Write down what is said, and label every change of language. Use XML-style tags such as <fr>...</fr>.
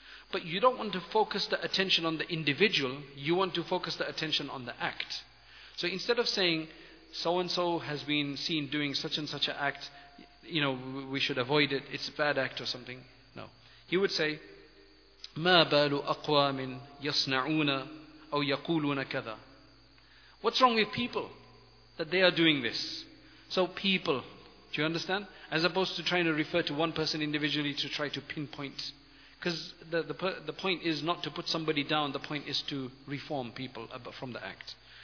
<en>But you don't want to focus the attention on the individual. You want to focus the attention on the act. So instead of saying, "So-and-so has been seen doing such and such an act, you know, we should avoid it, it's a bad act or something." No. He would say,</en> <ar>"مَا بَالُ أَقْوَامٍ يَصْنَعُونَ أَوْ يَقُولُونَ كَذَا."</ar> <en>What's wrong with people that they are doing this? So people, do you understand? As opposed to trying to refer to one person individually to try to pinpoint. Because the point is not to put somebody down, the point is to reform people from the act.</en>